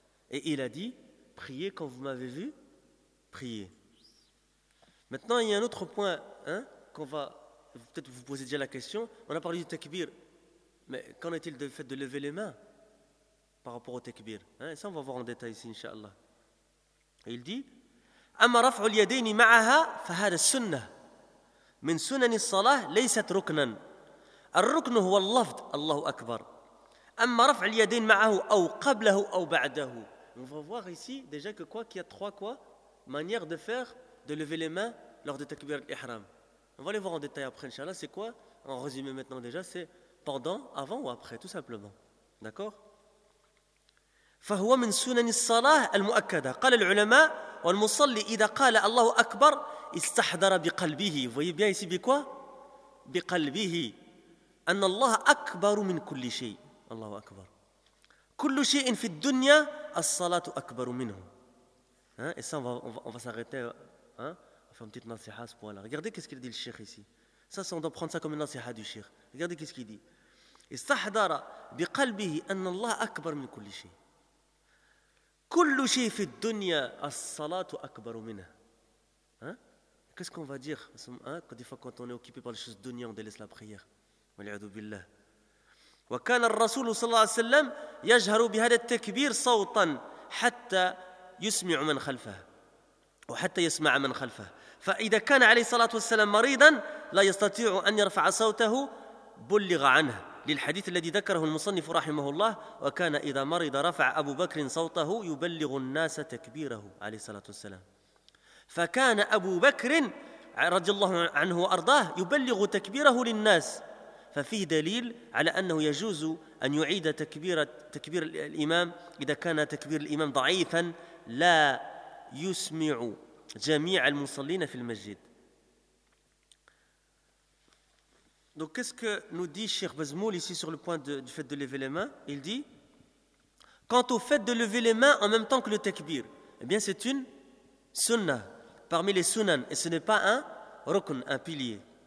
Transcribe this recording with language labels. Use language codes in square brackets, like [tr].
[fr] Et il a dit, priez quand vous m'avez vu, priez. Maintenant, il y a un autre point, hein, qu'on va... Peut-être vous posez déjà la question, on a parlé du takbir, mais qu'en est-il du fait de lever les mains par rapport au takbir, hein? Ça, on va voir en détail ici, Inch'Allah. Et il dit, [ar] أما رفع اليدين معها فهذا السنة من سنن الصلاة ليست ركنا. الركن هو اللفظ الله أكبر. أما رفع اليدين معه أو قبله أو بعده. [fr] On va voir ici déjà que quoi qu'il y a trois quoi manières de faire de lever les mains lors de takbir al-ihram. On va les voir en détail après inchallah. C'est quoi? En résumé maintenant déjà, c'est pendant, avant ou après, tout simplement. D'accord? [ar] فهو من سنن الصلاة المؤكدة. قال العلماء والمصلي إذا قال الله أكبر استحضر بقلبه. [fr] Voyez bien ici [ar] بكوا بقلبه أن الله أكبر من كل شيء. الله أكبر كل شيء في الدنيا الصلاة أكبر منه. [fr] Et ça on va s'arrêter hein, on fait une petite nasiha à ce point là. Regardez qu'est-ce qu'il dit le cheikh ici. Ça on doit prendre ça comme une nasiha du cheikh. Regardez qu'est-ce qu'il dit. [ar] استحضر بقلبه أن الله أكبر من كل شيء كل شيء في الدنيا الصلاة أكبر منه. [fr] Qu'est-ce qu'on va dire quand des fois quand on est occupé par les choses dunya on délaisse la prière. [ar] وَلِعَذُ بِاللَّهِ وَكَانَ الرَّسُولُ صَلَّى اللَّهُ عَلَيْهِ وَسَلَّمَ يَجْهَرُ بِهَذَا التَّكْبِيرِ صَوْتًا حَتَّى يُسْمِعُ مَنْ خَلْفَهُ وَحَتَّى يَسْمَعَ مَنْ خَلْفَهُ فَإِذَا كَانَ عَلَيْهِ الصَّلَاةُ وَالسَّلَامُ مَرِيضًا لَا يَسْتَطِيعُ أَنْ يَرْفَعَ صَوْتَهُ بُلِّغَ عَنْهُ لِلْحَدِيثِ الَّذِي ذَكَرَهُ الْمُصَنِّفُ رَحِمَهُ اللَّهُ وَكَانَ إِذَا مَرِضَ رَفَعَ أَبُو بَكْرٍ صَوْتَهُ يُبَلِّغُ النَّاسَ تَكْبِيرَهُ عَلَيْهِ الصَّلَاةُ وَالسَّلَامُ فَكَانَ أَبُو بَكْرٍ رَضِيَ اللَّهُ عَنْهُ وَأَرْضَاهُ يُبَلِّغُ تَكْبِيرَهُ لِلنَّاسِ ففيه دليل على أنه يجوز أن يعيد تكبير الإمام إذا كان تكبير الإمام ضعيفا لا يسمع جميع المصلين في المسجد. [fr] Donc qu'est-ce que nous dit Cheikh Bazmoul ici sur le point du fait de lever les mains? Il dit quant au fait de lever les mains en même temps que le takbir, eh bien c'est une sunnah parmi les sunan et ce n'est pas un rukn, un pilier.